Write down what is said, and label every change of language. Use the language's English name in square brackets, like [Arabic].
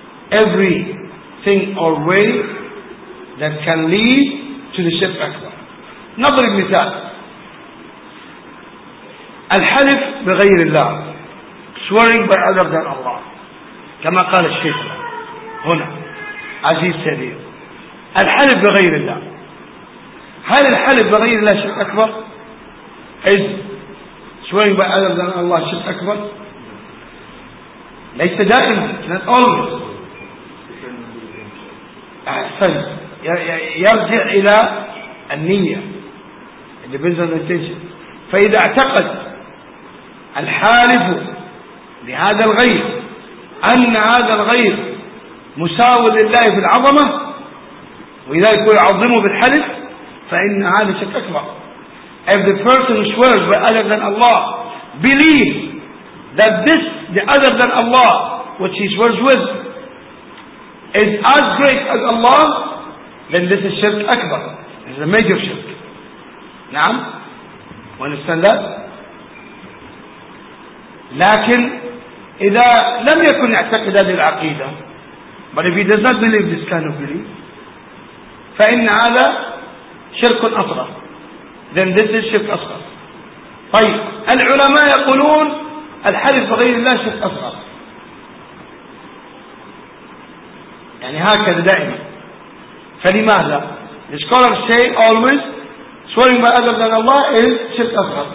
[English] Everything or way that can lead to the shirk akbar. [Arabic] نضرب مثال. الحلف بغير الله. [English] Swearing by other than Allah. [Arabic] كما قال الشيخ هنا. [English] As he said here. [Arabic] الحلف بغير الله هل الحلف بغير الله شرك أكبر؟ إذ [English] swearing by other than Allah [Arabic] شرك أكبر؟ ليس دائما [English] not always [Arabic] أحسن يرجع إلى النية [English] depends on intention [Arabic] فإذا اعتقد الحالف لهذا الغير أن هذا الغير مساو لله في العظمة وإذا يكون يعظمه بالحلف فإن هذا شرك أكبر. [English] If the person who swears by other than Allah believes that this, the other than Allah, which he swears with, is as great as Allah, then this is shirk أكبر. This is a major shirk. [Arabic] نعم. [English] Understand that? [Arabic] لكن إذا لم يكن يعتقد هذه العقيدة, [English] but if he does not believe this kind of belief, [Arabic] فإن هذا شرك أصغر. [English] Then this is شرك أصغر. [Arabic] طيب العلماء يقولون الحلف بغير الله شرك أصغر. يعني هكذا دائما. فلماذا؟ [English] The scholars say always swearing by other than Allah is شرك أصغر.